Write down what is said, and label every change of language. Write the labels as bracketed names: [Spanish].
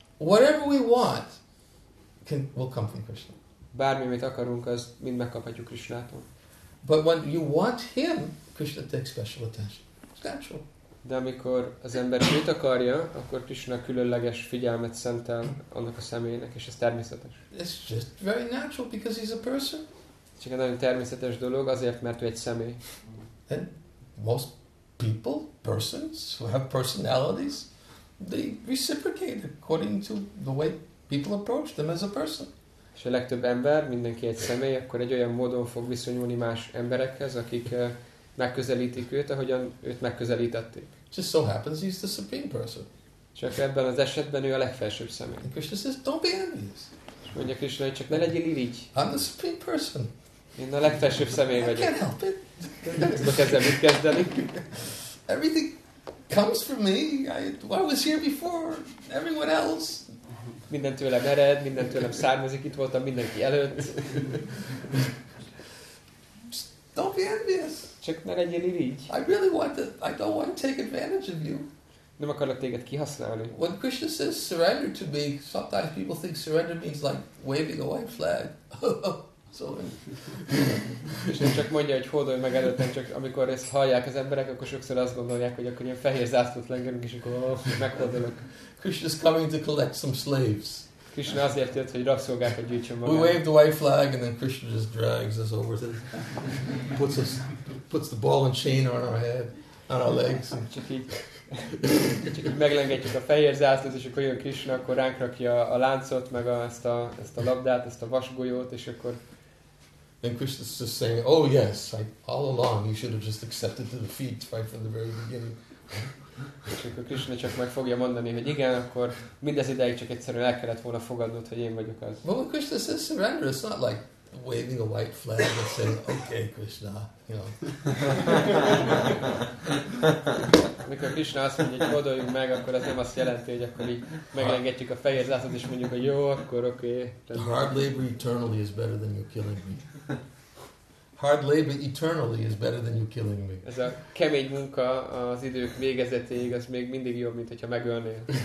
[English] Whatever we want can will come from Krishna. [Hungarian] Bármi, amit akarunk, az mind megkaphatjuk Krishnától. [English] But when you want him, Krishna takes special attention. It's natural. [Hungarian] De amikor az ember őt akarja, akkor Krishna különleges figyelmet szentel annak a személynek, és ez természetes. [English] It's just very natural because he's a person. [Hungarian] Csak egy nagyon természetes dolog, azért, mert ő egy személy. [English] And most people, persons who have personalities, they reciprocate according to the way people approach them as a person. [Hungarian] És a legtöbb ember, mindenki egy személy, akkor egy olyan módon fog viszonyulni más emberekhez, akik megközelítik őt, ahogyan őt megközelítették. [English] Just so happens he's the supreme person. [Hungarian] Csak ebben az esetben ő a legfelsőbb személy. [English] And Krishna says, don't be envious. [Hungarian] És mondja Krishna, hogy csak ne legyél irigy. [English] I'm the supreme person. [Hungarian] Én a legfelsőbb személy vagyok. [English] I can't help it. [Hungarian] Ezt a kezdem mit kezdeni. [English] Everything comes from me. I was here before. Everyone else. [Hungarian] Minden tőlem ered, minden tőlem származik, itt voltam mindenki előtt. [English] Just don't be envious. [Hungarian] Csak ne legyél irigy. [English] I really want to, I don't want to take advantage of you. [Hungarian] Nem akarlak téged kihasználni. [English] When Krishna says surrender to me, sometimes people think surrender means like waving a white flag. [Hungarian] És nem csak mondja, hogy hódolj meg előttem, csak amikor ezt hallják az emberek, akkor sokszor azt gondolják, hogy akkor ilyen fehér zászlót lengedünk, és akkor meghódolok. [English] Krishna's coming to collect some slaves. [Hungarian] Krishna azért jött, hogy rabszolgákat gyűjtsön magát. [English] We wave the white flag, and then Krishna just drags us over to, puts the ball and chain on our head. on our legs. [Hungarian] Csak így meglengetjük a fehér zászlót, és akkor jön Krishna, akkor ránk rakja a láncot, meg ezt a labdát, ezt a vasgolyót, és akkor... [English] And Krishna's just saying, oh yes, like all along you should have just accepted the defeat right from the very beginning. [Hungarian] És akkor Krishna csak meg fogja mondani, hogy igen, akkor mindez ideig csak egyszerűen el kellett volna fogadnod, hogy én vagyok az. [English] Well, when Krishna says surrender, it's not like waving a white flag and saying, okay, Krishna, you know. [Hungarian] Mikor Krishna azt mondja, hogy boldoljunk meg, akkor az nem azt jelenti, hogy akkor így meglengetjük a fehér zászlót, és mondjuk, hogy jó, akkor oké. [English] Okay. Hard labor eternally is better than you killing me. Hard labor eternally is better than you killing me. [Hungarian] Ez a kemény munka az idők végezetéig, az még mindig jobb, mint hogyha megölnél.